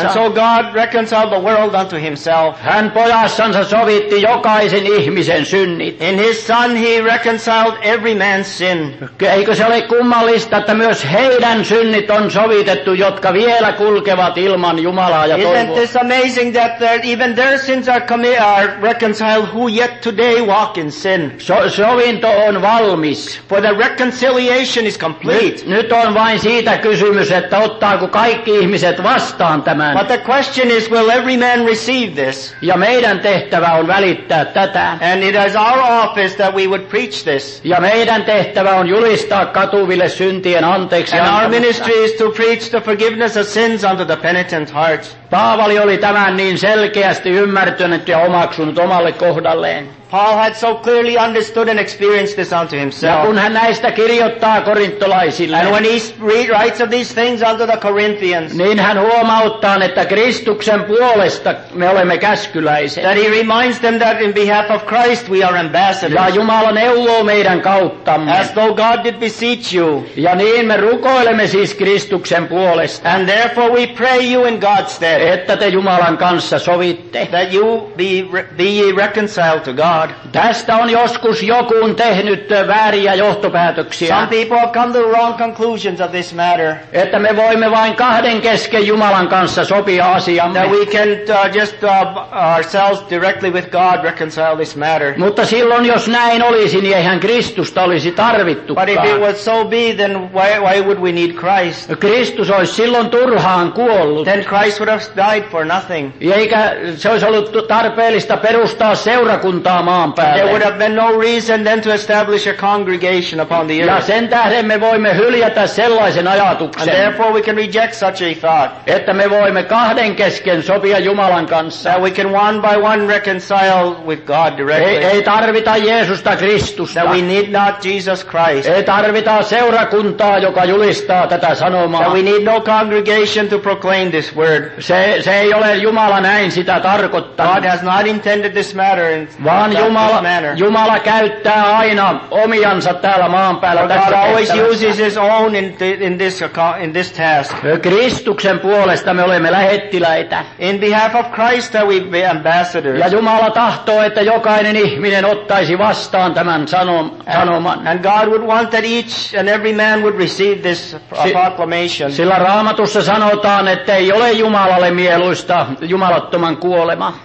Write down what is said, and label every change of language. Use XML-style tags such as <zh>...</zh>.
<en>And so God reconciled the world unto himself.</en> <fi>Hän pojassansa sovitti jokaisen ihmisen synnit.</fi> <en>In his son he reconciled every man's sin.</en> <fi>Eikö se ole kummallista, että myös heidän synnit on sovitettu, jotka vielä kulkevat ilman Jumalaa ja toivoa.</fi> <en>Isn't this amazing that even their sins are reconciled who yet today walk in sin?</en> <fi>Sovinto on valmis.</fi> <en>The reconciliation is complete.</en> <fi>Nyt on vain siitä kysymys, että ottaako kaikki ihmiset vastaan tämän.</fi> <en>But the question is, will every man receive this?</en> <fi>Ja meidän tehtävä on välittää tätä.</fi> <en>And it is our office that we would preach this.</en> <fi>Ja meidän tehtävä on julistaa katuville syntien anteeksi.</fi> <en>And our ministry is to preach the forgiveness of sins unto the penitent hearts.</en> <fi>Paavali oli tämän niin selkeästi ymmärtänyt ja omaksunut omalle kohdalleen.</fi> <en>Paul had so clearly understood and experienced this unto himself.</en> <fi>Ja kun hän näistä kirjoittaa korintolaisille.</fi> <en>And when he writes of these things unto the Corinthians.</en> <fi>Niin hän huomauttaa, että Kristuksen puolesta me olemme käskyläiset.</fi> <en>That he reminds them that in behalf of Christ we are ambassadors.</en> <fi>Ja Jumala neuvoo meidän kauttamme.</fi> <en>As though God did beseech you.</en> <fi>Ja niin me rukoilemme siis Kristuksen puolesta.</fi> <en>And therefore we pray you in God's stead.</en> <fi>Että te Jumalan kanssa sovitte.</fi> <en>That you be reconciled to God.</en> <fi>Tästä on joskus joku tehnyt vääriä johtopäätöksiä.</fi> <en>Some people have come to the wrong conclusions of this matter.</en> <fi>Että me voimme vain kahden kesken Jumalan kanssa sopia asiamme.</fi> <en>That we can just ourselves directly with God reconcile this matter.</en> <fi>Mutta silloin jos näin olisi, niin eihän Kristusta olisi tarvittukaan.</fi> <en>But if it would so be, then why would we need Christ?</en> <fi>Kristus olisi silloin turhaan kuollut.</fi> <en>Then Christ would have died for nothing.</en> <fi>Eikä se olisi ollut tarpeellista perustaa seurakuntaa.</fi> <en>There would have been no reason then to establish a congregation upon the earth.</en> <fi>Ja sen tähden me voimme hyljätä sellaisen ajatuksen.</fi> <en>And therefore we can reject such a thought.</en> <fi>Että me voimme kahden kesken sopia Jumalan kanssa.</fi> <en>That we can one by one reconcile with God directly.</en> <fi>Ei tarvita Jeesusta Kristusta.</fi> <en>That we need not Jesus Christ.</en> <fi>Ei tarvita seurakuntaa, joka julistaa tätä sanomaa.</fi> <en>That we need no congregation to proclaim this word.</en> <fi>Se ei ole Jumala näin sitä tarkoittanut.</fi> <en>God has not intended this matter in</en> <fi>vaan Jumala käyttää aina omiansa täällä maan päällä.</fi> <en>But God always uses his own in this task.</en> <fi>Kristuksen puolesta me olemme lähettiläitä.</fi> <en>In behalf of Christ that we be ambassadors.</en> <fi>Ja Jumala tahtoo, että jokainen ihminen ottaisi vastaan tämän sanoman.</fi> <en>And God would want that each and every man would receive this proclamation.</en> <fi>Sillä Raamatussa sanotaan, että ei ole Jumalalle mieluista jumalattoman kuolema.</fi>